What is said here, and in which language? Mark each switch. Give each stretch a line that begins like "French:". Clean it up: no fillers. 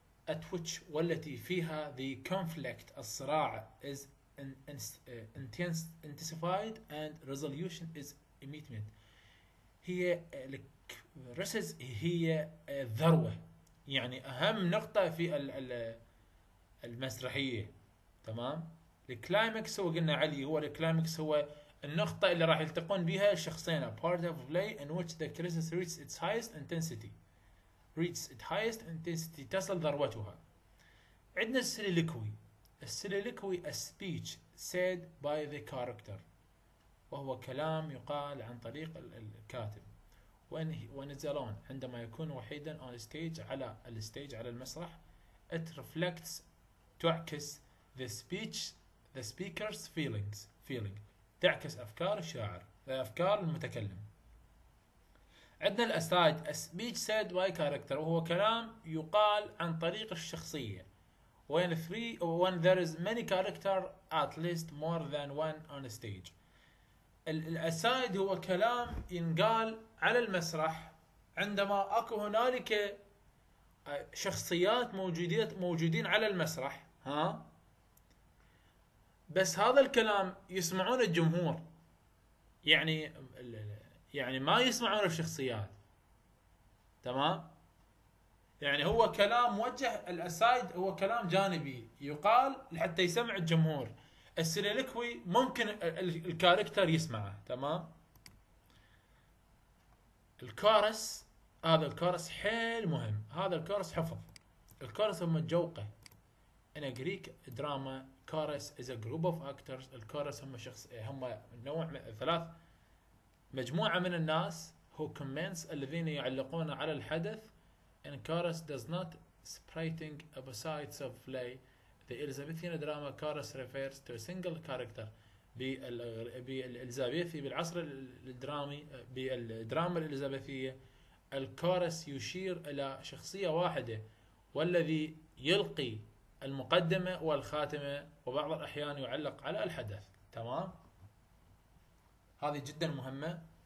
English: At which
Arabic: والتي فيها
English: the conflict
Arabic: الصراع
English: is intensified and resolution is immediate.
Arabic: هي الكريسيس هي الذروة، يعني أهم نقطة في المسرحية. تمام؟ الكلايمكس هو قلنا عليه، هو الكلايمكس هو النقطة اللي راح يلتقون بها الشخصين.
English: A part of play in which the crisis reaches its highest intensity. Reaches its highest intensity،
Arabic: تصل ذروتها. عندنا السيليلوكوي. السيليلوكوي
English: a speech said by the character،
Arabic: وهو كلام يقال عن طريق الكاتب.
English: When it's alone،
Arabic: عندما يكون وحيدا
English: on stage،
Arabic: على الستيج على المسرح.
English: It reflects،
Arabic: تعكس
English: the speaker's feeling،
Arabic: تعكس أفكار الشاعر، أفكار المتكلم. عندنا الأستاذ
English: a speech said by character،
Arabic: وهو كلام يقال عن طريق الشخصية.
English: When there is many character at least more than one on stage.
Arabic: الأستاذ هو كلام ينقال على المسرح عندما أكو هنالك شخصيات موجودين على المسرح. ها؟ بس هذا الكلام يسمعون الجمهور، يعني ما يسمعون الشخصيات. تمام؟ يعني هو كلام موجه، الأسايد هو كلام جانبي يقال لحتى يسمع الجمهور. السيليلوكوي ممكن الكاركتر يسمعه. تمام؟ الكورس، هذا الكورس حيل مهم، هذا الكورس حفظ. الكورس هم الجوقة.
English: In a Greek drama chorus is a group of actors.
Arabic: الكورس هم شخص، هم نوع من ثلاث، مجموعة من الناس
English: who comments،
Arabic: الذين يعلقون على الحدث.
English: And chorus does not sprinting besides of play. The Elizabethan drama chorus refers to a single character.
Arabic: بالإلزابيثي بالعصر الدرامي بالدراما الإلزابيثية الكورس يشير إلى شخصية واحدة، والذي يلقي المقدمة والخاتمة، وبعض الأحيان يعلق على الحدث. تمام؟ هذه جدا مهمة.